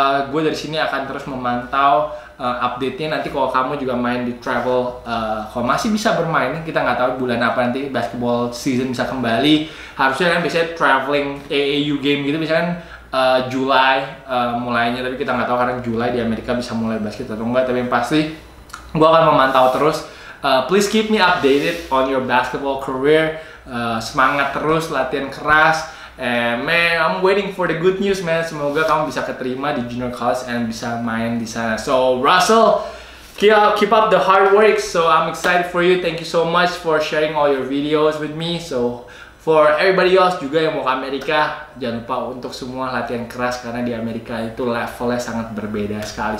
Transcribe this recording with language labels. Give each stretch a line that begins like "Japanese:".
Indonesian: Gue dari sini akan terus memantau update-nya. Nanti kalau kamu juga main di travel, kalau masih bisa bermain, kita nggak tahu bulan apa nanti basketball season bisa kembali. Harusnya kan biasanya traveling AAU game gitu biasanya kan Juli mulainya, tapi kita nggak tahu karena Juli di Amerika bisa mulai basket atau enggak. Tapi yang pasti gue akan memantau terus.
English: Please keep me updated on your basketball career.
Indonesian: Semangat terus, latihan keras.
English: Man, I'm waiting for the good news, man.
Indonesian: Semoga kamu bisa keterima di junior college and bisa main di sana.
English: So, Russell, keep up the hard work. So, I'm excited for you. Thank you so much for sharing all your videos with me. So, for everybody else
Indonesian: juga yang mau ke Amerika, jangan lupa untuk semua latihan keras karena di Amerika itu levelnya sangat berbeda sekali.